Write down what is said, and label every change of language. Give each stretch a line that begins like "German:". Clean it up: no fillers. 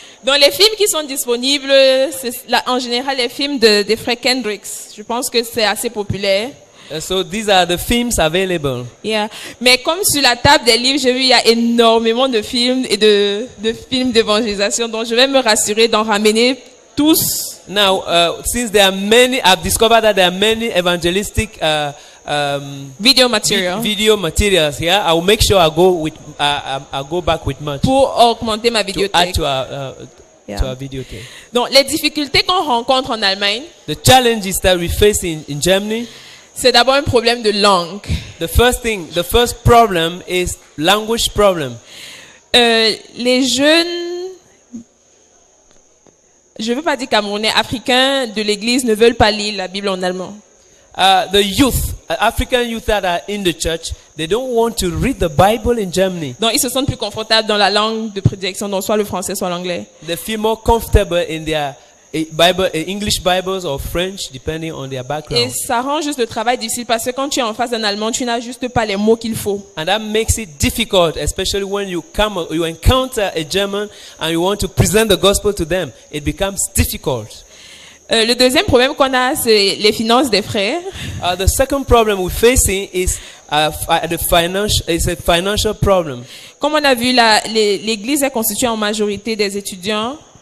French: Dans les films qui sont disponibles, c'est la, en général les films de Frank Hendricks. Je pense que c'est assez populaire.
English: So these are the films available. Yeah.
French: Mais comme sur la table des livres, j'ai vu il y a énormément de films et de films d'évangélisation. Donc je vais me rassurer d'en ramener tous.
English: Now, since there are many, I've discovered that there are many evangelistic video material. Video materials. Yeah, I'll make sure I go back with much.
French: Pour augmenter ma vidéothèque.
English: To add to our videotape.
French: Donc les difficultés qu'on rencontre en Allemagne.
English: The challenges that we face in Germany.
French: C'est d'abord un problème de langue.
English: The first problem is language problem.
French: Les jeunes, je ne veux pas dire camerounais, africains de l'église ne veulent pas lire la Bible en allemand.
English: The African youth that are in the church, they don't want to read the Bible in Germany.
French: Donc ils se sentent plus confortables dans la langue de prédilection, donc soit le français, soit l'anglais.
English: They feel more comfortable in their Bible, English Bibles or French, depending on their background.
French: Et ça rend juste le travail difficile parce que quand tu es en face d'un Allemand, tu n'as juste pas les mots qu'il faut.
English: And that makes it difficult, especially when you encounter a German and you want to present the gospel to them. It becomes difficult.
French: Le deuxième problème qu'on a, c'est les finances des frères.
English: The second problem we're facing is a financial problem.
French: Comme on a vu, l'église est constituée en majorité des étudiants.